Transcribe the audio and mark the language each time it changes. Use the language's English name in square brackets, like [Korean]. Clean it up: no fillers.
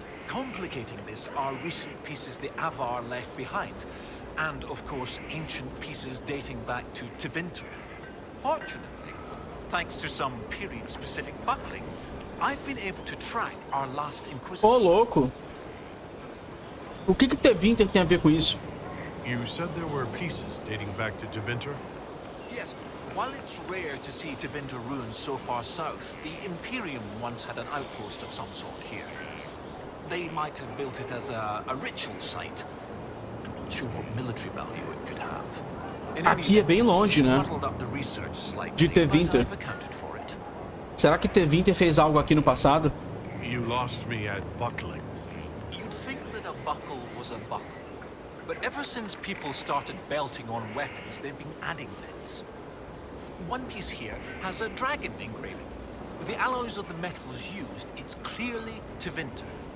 [English] Complicating this are recent pieces the Avar left behind, and of course, ancient pieces dating back to Tevinter. Fortunately, thanks to some period-specific buckling, I've been able to track our last inquisitor. [Portuguese] Oh, louco! O que que Tevinter tem a ver com isso? [English] You said there were pieces dating back to Tevinter? Yes. While it's rare to see Tevinter ruins so far south, the Imperium once had an outpost of some sort here. They might have built it as a ritual site. I'm not sure what military value it could have. [Portuguese] Aqui é bem longe, né? De Tevinter. Será que Tevinter fez algo aqui no passado? [English] You lost me at buckling. You'd think that a buckle was a buckle. But ever since people started belting on weapons, they've been adding bits. One piece here has a dragon engraving. With the alloys of the metals used, it's clearly Tevinter.